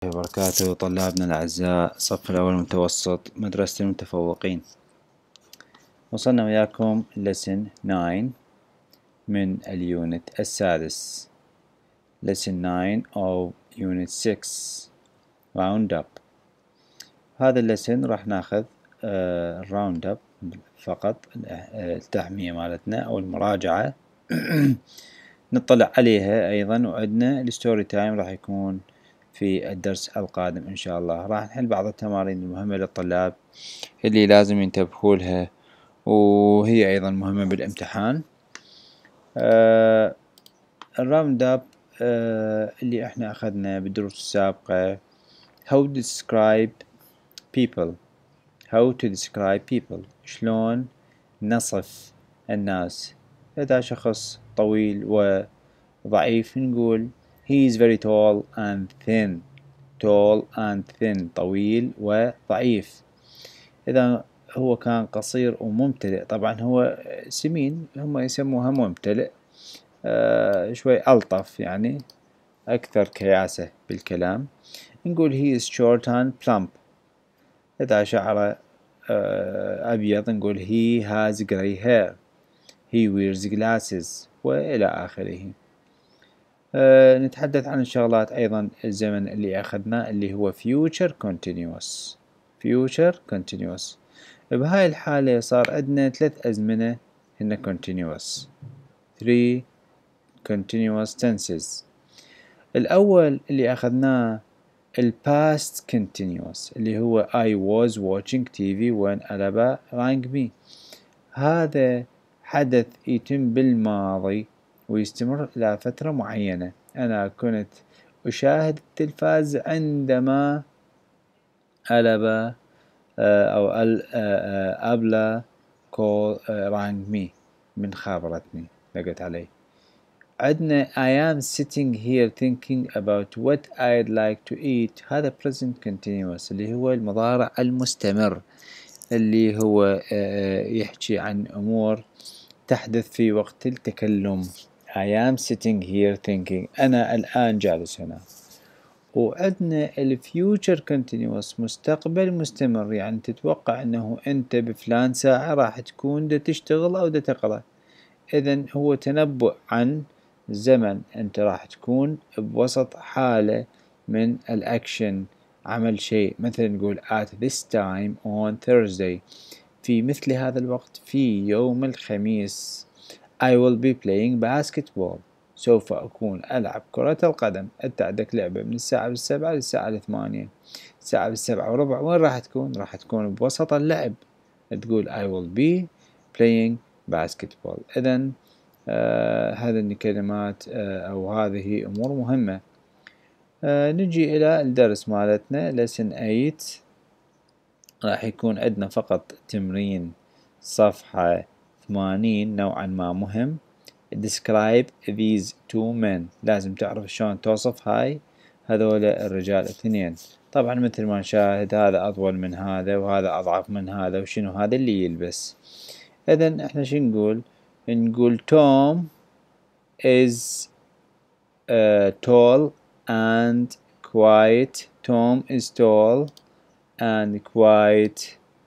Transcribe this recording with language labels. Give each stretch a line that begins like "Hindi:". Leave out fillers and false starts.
Arabic: وبركاته طلابنا الأعزاء، صف الأول المتوسط، مدرسة المتفوقين. وصلنا وياكم
English: lesson 9 من اليونت السادس، lesson 9 of unit 6 round up.
Arabic: هذا lesson راح ناخذ round up فقط، التحمية مالتنا أو المراجعة نطلع عليها أيضا، وعندنا الستوري تايم راح يكون في الدرس القادم إن شاء الله. راح نحل بعض التمارين المهمة للطلاب اللي لازم ينتبهوا لها، وهي أيضا مهمة بالامتحان. الراوند أب اللي إحنا أخذنا بالدروس السابقة،
English: how to describe people،
Arabic: how to describe people، شلون نصف الناس. إذا شخص طويل وضعيف نقول
English: he is very tall and thin. tall and thin،
Arabic: طويل وضعيف. إذا هو كان قصير وممتلئ، طبعا هو سمين، هم يسموها ممتلئ، شوي ألطف يعني أكثر كياسة بالكلام. نقول
English: he is short and plump.
Arabic: إذا شعره أبيض نقول
English: he has grey hair. he wears glasses
Arabic: وإلى آخره. نتحدث عن الشغلات أيضا الزمن اللي أخذنا اللي هو future continuous. future continuous بهاي الحالة صار عندنا ثلاث أزمنة هن continuous،
English: three continuous tenses.
Arabic: الأول اللي أخذناه ال
English: past continuous
Arabic: اللي هو
English: I was watching TV when Alaba rang me.
Arabic: هذا حدث يتم بالماضي ويستمر إلى فترة معينة. أنا كنت أشاهد التلفاز عندما ألبا أو أبلا كول رانج مي، من خابرتني لقيت علي. عدنا
English: I am sitting here thinking about what I'd like to eat.
Arabic: هذا present continuous اللي هو المضارع المستمر اللي هو يحكي عن أمور تحدث في وقت التكلم.
English: I am sitting here thinking.
Arabic: أنا الآن جالس هنا. وعندنا الـ future continuous، مستقبل مستمر، يعني تتوقع أنه أنت بفلان ساعة راح تكون دا تشتغل أو دا تقرأ. إذن هو تنبؤ عن زمن أنت راح تكون بوسط حالة من الأكشن، عمل شيء. مثلا نقول
English: at this time on Thursday،
Arabic: في مثل هذا الوقت في يوم الخميس.
English: I will be playing basketball.
Arabic: سوف أكون ألعب كرة القدم. أتعدك لعبة من الساعة 7 للساعة 8. الساعة 7 وربع وين راح تكون؟ راح تكون بوسط اللعب. تقول
English: I will be playing basketball.
Arabic: إذن هذه الكلمات أو هذه أمور مهمة. نجي إلى الدرس مالتنا lesson 8. راح يكون عندنا فقط تمرين صفحة 80 نوعا ما مهم.
English: describe these two men،
Arabic: لازم تعرف شلون توصف هاي هذول الرجال اثنين. طبعا مثل ما نشاهد هذا اطول من هذا وهذا اضعف من هذا، وشنو هذا اللي يلبس. اذن احنا شو نقول؟ نقول توم
English: is tall and quiet. Tom is tall and quiet.